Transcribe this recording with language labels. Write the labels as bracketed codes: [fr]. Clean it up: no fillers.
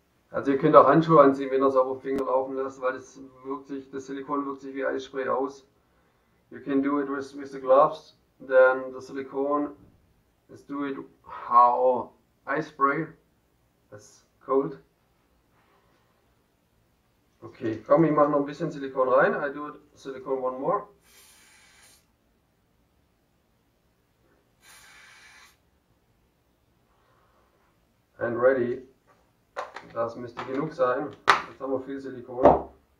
[de] Also ihr könnt auch Handschuhe anziehen, wenn ihr es auf den Finger laufen lasst, weil das wirkt sich, das Silikon wirkt sich wie Eisspray aus. [en] You can do it with the gloves, then the silicone is do it how ice spray. That's cold. [de] Okay, komm, ich mache noch ein bisschen Silikon rein. [en] I do it silicone one more. And ready. [de] Das müsste genug sein. Jetzt haben wir viel Silikon.